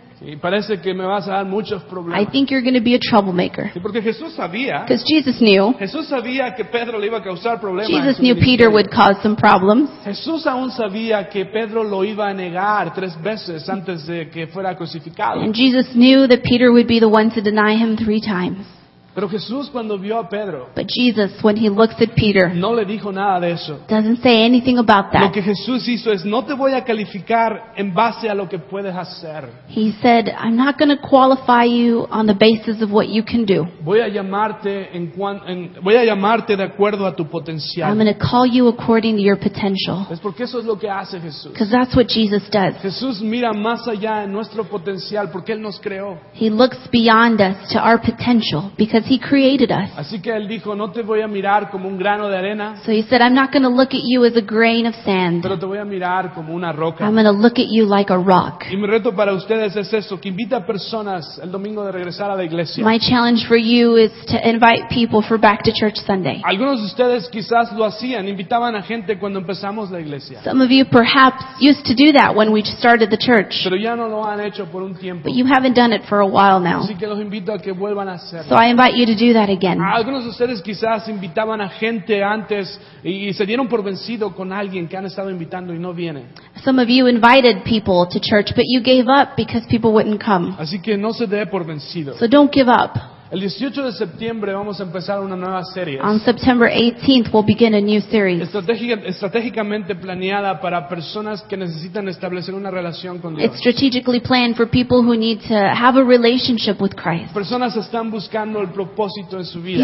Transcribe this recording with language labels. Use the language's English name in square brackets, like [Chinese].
[Spanish] Y parece que me vas a dar muchos problemas. [English] I think you're going to be a troublemaker. [Spanish] Y porque Jesús sabía. [English] Because Jesus knew. [Spanish] Jesús sabía que Pedro le iba a causar problemas. [English] Jesus knew Peter would cause some problems. [Spanish] Jesús aún sabía que Pedro lo iba a negar tres veces antes de que fuera crucificado. [English] And Jesus knew that Peter would be the one to deny him 3 times. [Spanish] Pero Jesús, cuando vio a Pedro, [English] but Jesus, when he looks at Peter, [Spanish] no le dijo nada de eso. [English] Doesn't say anything about that. [Spanish] Lo que Jesús hizo es, no te voy a calificar en base a lo que puedes hacer. [English] He said, I'm not going to qualify you on the basis of what you can do. [Spanish] Voy a llamarte de acuerdo a tu potencial. [English] I'm going to call you according to your potential. [Spanish] Es porque eso es lo que hace Jesús. [English] Because that's what Jesus does. [Spanish] Jesús mira más allá de nuestro potencial porque Él nos creó. [English] He looks beyond us to our potential because he created us. [Spanish] Así que él dijo, no te voy a mirar como un grano de arena. [English] So he said, I'm not going to look at you as a grain of sand. [Spanish] Pero te voy a mirar como una roca. [English] I'm going to look at you like a rock. [Spanish] Y mi reto para ustedes es eso, que invita personas el domingo de regresar a la iglesia. [English] My challenge for you is to invite people for back to church Sunday. [Spanish] Algunos de ustedes quizás lo hacían, invitaban a gente cuando empezamos la iglesia. [English] Some of you perhaps used to do that when we started the church. [Spanish] Pero ya no lo han hecho por un tiempo. [English] But you haven't done it for a while now. [Spanish] Así que los invito a que vuelvan a hacerlo. [English] So I invite you to do that again. [Spanish] Algunos de ustedes quizás invitaban a gente antes y se dieron por vencido con alguien que han estado invitando y no viene. [English] Some of you invited people to church, but you gave up because people wouldn't come. [Spanish] Así que no se dé por vencido. [English] So don't give up. [Spanish] El 18 de septiembre vamos a empezar una nueva serie. [English] On September 18th we'll begin a new series. [Spanish] Estratégicamente planeada para personas que necesitan establecer una relación con Dios. [English] It's strategically planned for people who need to have a relationship with Christ. [Spanish] Personas están buscando el propósito en su vida.